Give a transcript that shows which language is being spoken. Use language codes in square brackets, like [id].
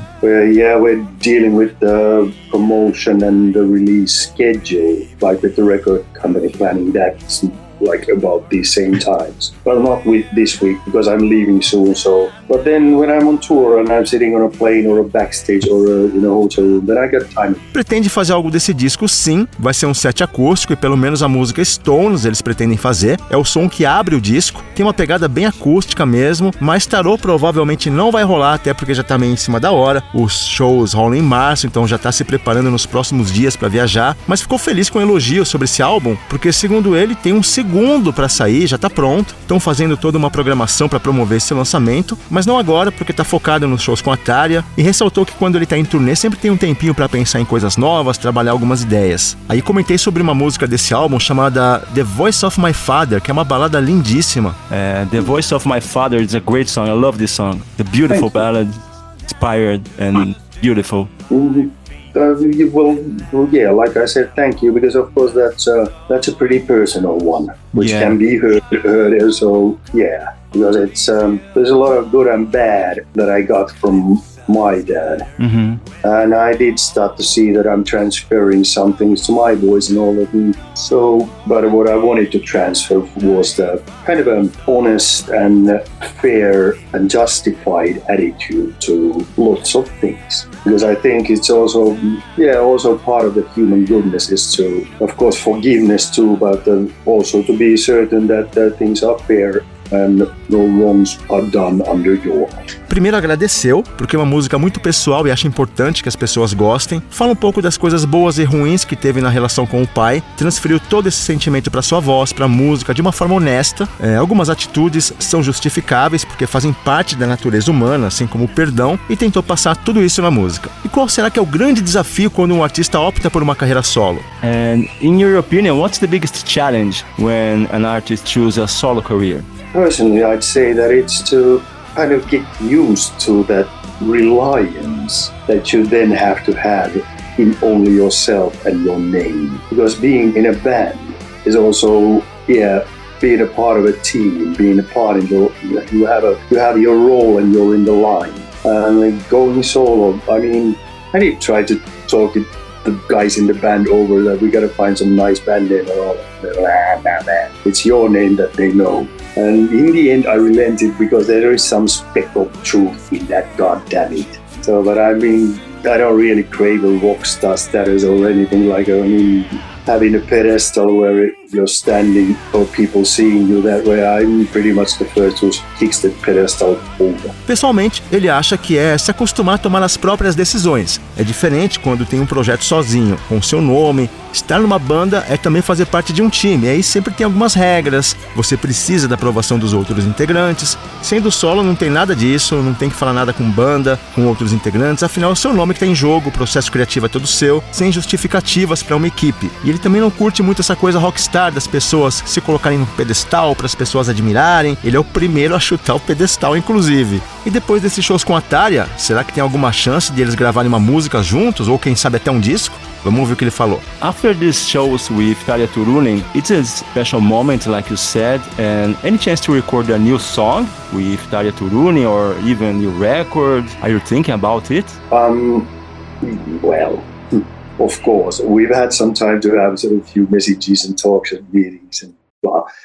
[en] We're dealing with the promotion and the release schedule, like with the record company planning that, like about these same times. But not with this week, because I'm leaving soon. So, but then when I'm on tour and I'm sitting on a plane or a backstage or in a hotel room, then I got time. [pt] Pretende fazer algo desse disco? Sim, vai ser um set acústico e pelo menos a música Stones eles pretendem fazer. É o som que abre o disco, tem uma pegada bem acústica mesmo, mas Tarô provavelmente não vai rolar, até porque já tá meio em cima da hora. Os shows rolam em março, então já tá se preparando nos próximos dias para viajar, mas ficou feliz com o elogio sobre esse álbum, porque segundo ele tem um segundo para sair, já tá pronto. Estão fazendo toda uma programação para promover esse lançamento, mas não agora, porque tá focado nos shows com a Thalia, e ressaltou que quando ele tá em turnê sempre tem um tempinho para pensar em coisas novas, trabalhar algumas ideias. Aí comentei sobre uma música desse álbum chamada The Voice of My Father, que é uma balada lindíssima. [en] The Voice of My Father is a great song. I love this song. The beautiful ballad, inspired and beautiful. Like I said, thank you, because of course that's a pretty personal one, which can be heard. So yeah, because it's there's a lot of good and bad that I got from my dad, and I did start to see that I'm transferring some things to my boys and all of them. So, but what I wanted to transfer was the kind of an honest and fair and justified attitude to lots of things. Because I think it's also, also part of the human goodness is to, of course, forgiveness too, but also to be certain that things are fair and no wrongs are done under your eyes. [pt] Primeiro agradeceu, porque é uma música muito pessoal e acha importante que as pessoas gostem. Fala um pouco das coisas boas e ruins que teve na relação com o pai. Transferiu todo esse sentimento para sua voz, para a música, de uma forma honesta. Algumas atitudes são justificáveis, porque fazem parte da natureza humana, assim como o perdão. E tentou passar tudo isso na música. E qual será que é o grande desafio quando um artista opta por uma carreira solo? [en] And in your opinion, what's the biggest challenge when an artist chooses a solo career? Personally, I'd say that it's to kind of get used to that reliance that you then have in only yourself and your name. Because being in a band is also, being a part of a team, being a part of you have your role and you're in the line. And going solo, I need to try to talk to the guys in the band over that we gotta find some nice band name and all that. It's your name that they know. And in the end, I relented, because there is some speck of truth in that, goddammit. So, but I mean, I don't really crave a rock star status or anything like that. I mean, having a pedestal where you're standing or people seeing you that way, I'm pretty much the first who kicks the pedestal over. [pt] Pessoalmente, ele acha que é se acostumar a tomar as próprias decisões. É diferente quando tem um projeto sozinho, com seu nome. Estar numa banda é também fazer parte de um time, aí sempre tem algumas regras. Você precisa da aprovação dos outros integrantes. Sendo solo, não tem nada disso, não tem que falar nada com banda, com outros integrantes. Afinal, é o seu nome que está em jogo, o processo criativo é todo seu, sem justificativas para uma equipe. E ele também não curte muito essa coisa rockstar das pessoas se colocarem no pedestal para as pessoas admirarem. Ele é o primeiro a chutar o pedestal, inclusive. E depois desses shows com a Tália, será que tem alguma chance de eles gravarem uma música juntos, ou quem sabe até um disco? Vamos ouvir o que ele falou. [en] After these shows with Tália Turunen, it's a special moment, like you said, and any chance to record a new song with Tália Turunen or even new record? Are you thinking about it? Well, of course. We've had some time to have sort of a few messages and talks and meetings and blah.